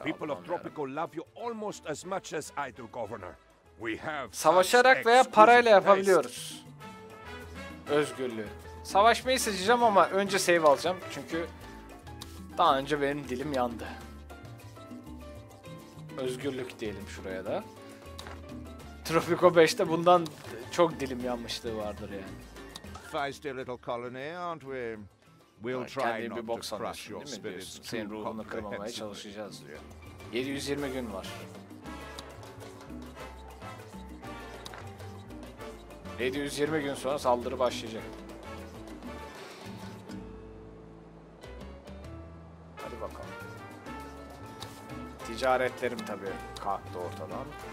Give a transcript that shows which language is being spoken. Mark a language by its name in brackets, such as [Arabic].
[English] People of Tropico love you almost as much as I do, governor. We have [Turkish] savaşarak veya parayla yapabiliyoruz. Özgürlüğü. Savaşmayı seçeceğim ama önce save alacağım. Çünkü daha önce benim dilim yandı. Özgürlük diyelim şuraya da. Tropico 5'te bundan çok dilim yanmışlığı vardır yani. [English] Feisty little colony, aren't we? We'll try not to crush your spirits. [Turkish] Senin ruhunu kırmamaya çalışacağız diyor. 720 gün var. 720 gün sonra saldırı başlayacak. Hadi bakalım. Ticaretlerim tabii kalktı ortadan.